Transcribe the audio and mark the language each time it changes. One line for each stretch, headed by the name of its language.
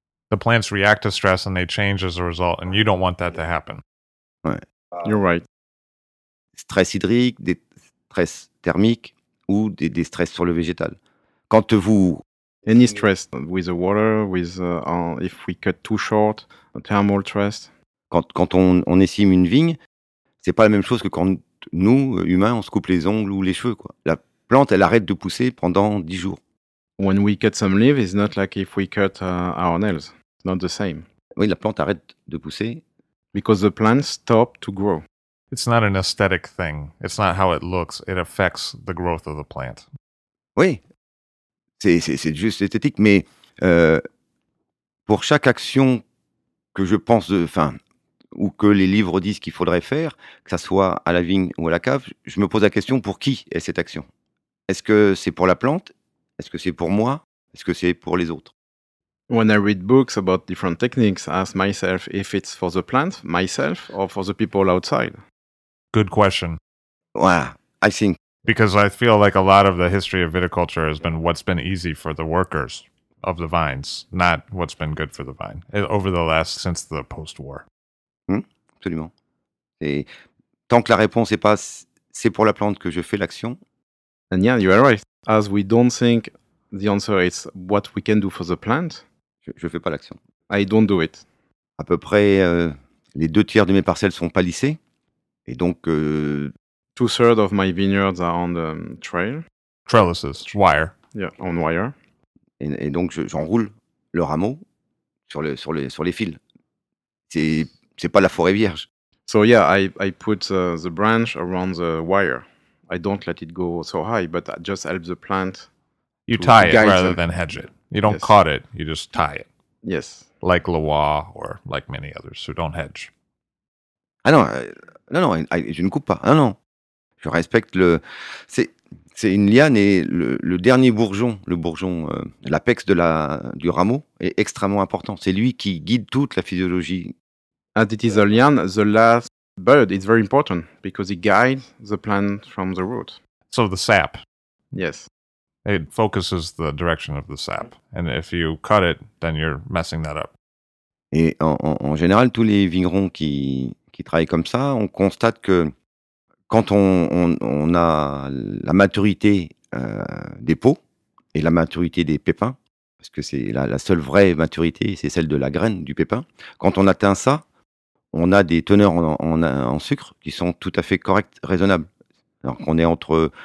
English: The plants react to stress, and they change as a result, and you don't want that to happen.
French: Ouais.
English: You're right.
French: Stress hydrique, des stress thermiques, ou des stress sur le végétal. Quand vous...
English: Any stress with the water, with if we cut too short, a thermal stress.
French: Quand on essaime une vigne, c'est pas la même chose que quand nous, humains, on se coupe les ongles ou les cheveux, quoi. La plante, elle arrête de pousser pendant 10 jours.
English: When we cut some leaves, it's not like if we cut our nails. It's not the same.
French: Oui, la plante arrête de pousser.
English: Because the plant stops to grow. It's not an aesthetic thing. It's not how it looks. It affects the growth of the plant.
French: Oui, c'est juste esthétique. Mais pour chaque action que je pense, ou que les livres disent qu'il faudrait faire, que ce soit à la vigne ou à la cave, je me pose la question, pour qui est cette action? Est-ce que c'est pour la plante? Est-ce que c'est pour moi? Est-ce que c'est pour les autres?
English: When I read books about different techniques, I ask myself if it's for the plant, myself, or for the people outside. Good question. Wow, I think. Because I feel like a lot of the history of viticulture has been what's been easy for the workers of the vines, not what's been good for the vine, over the last, since the post-war.
French: Absolument. Et tant que la réponse n'est pas « c'est pour la plante que je fais l'action ».
English: And yeah, you are right. As we don't think the answer is « what we can do for the plant »,
French: Je ne fais pas l'action.
English: I don't do it.
French: À peu près, les deux tiers de mes parcelles sont palissées. Et donc...
English: Two-thirds of my vineyards are on the trail. Trellises, wire. Yeah, on wire.
French: Et donc, j'enroule le rameau sur les fils. C'est c'est pas la forêt vierge.
English: So yeah, I put the branch around the wire. I don't let it go so high, but I just help the plant. You tie it rather than hedge it. You don't cut it, you just tie it. Yes. Like Loire or like many others who don't hedge.
French: Ah non, non, non, je ne coupe pas. Ah non, je respecte le... C'est une liane et le dernier bourgeon, le bourgeon, l'apex de du rameau est extrêmement important. C'est lui qui guide toute la physiologie.
English: And it is a liane, the last bud, it's very important because it guides the plant from the root. So the sap. Yes. It focuses the direction of the sap. And if you cut it, then you're messing that up.
French: Et en général, tous les vignerons qui travaillent comme ça, on constate que quand on a la maturité des pots et la maturité des pépins, parce que c'est la seule vraie maturité, c'est celle de la graine, du pépin, quand on atteint ça, on a des teneurs en sucre qui sont tout à fait correctes, raisonnables. Alors qu'on est entre...